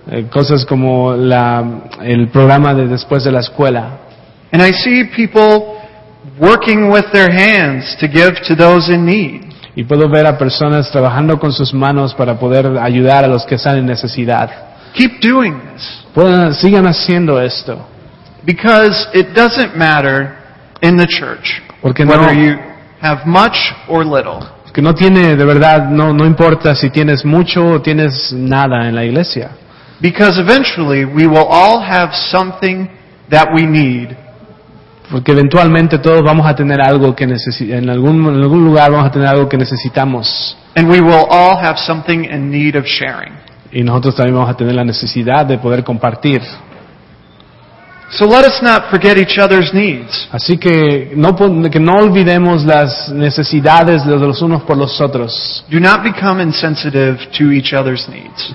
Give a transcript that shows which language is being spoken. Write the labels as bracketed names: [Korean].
[Spanish] Cosas como el programa de después de la escuela. [English] And I see people working with their hands to give to those in need. [Spanish] Y puedo ver a personas trabajando con sus manos para poder ayudar a los que están en necesidad. [English] Keep doing this. [Spanish] Sigan haciendo esto. [English] Because it doesn't matter in the church whether you have much or little. [Spanish] Porque no tiene, de verdad, no importa si tienes mucho o tienes nada en la iglesia. [English] Because eventually we will all have something that we need. [Spanish] Porque eventualmente todos vamos a tener algo que en algún lugar vamos a tener algo que necesitamos. [English] And we will all have something in need of sharing. [Spanish] Y nosotros también vamos a tener la necesidad de poder compartir. [English] So let us not forget each other's needs. [Spanish] Así que no olvidemos las necesidades de los unos por los otros. [English] Do not become insensitive to each other's needs.